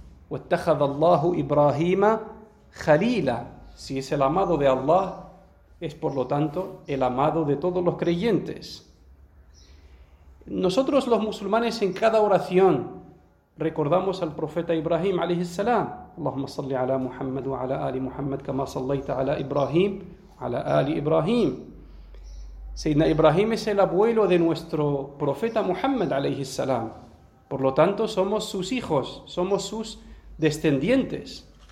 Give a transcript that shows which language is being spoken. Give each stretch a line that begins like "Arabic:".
Arabic: واتخذ الله إبراهيم خليلا.
Spanish: Si es el amado de Allah, es por lo tanto el amado de todos los creyentes. Nosotros los musulmanes en cada oración recordamos al profeta Ibrahim
Arabic: عليه السلام. اللهم صل على محمد وعلى آل محمد كما صليت على إبراهيم على آل إبراهيم.
Spanish: Sayyidina Ibrahim es el abuelo de nuestro profeta Muhammad
Arabic: عليه السلام.
Spanish: Por lo tanto somos sus hijos, somos sus descendientes.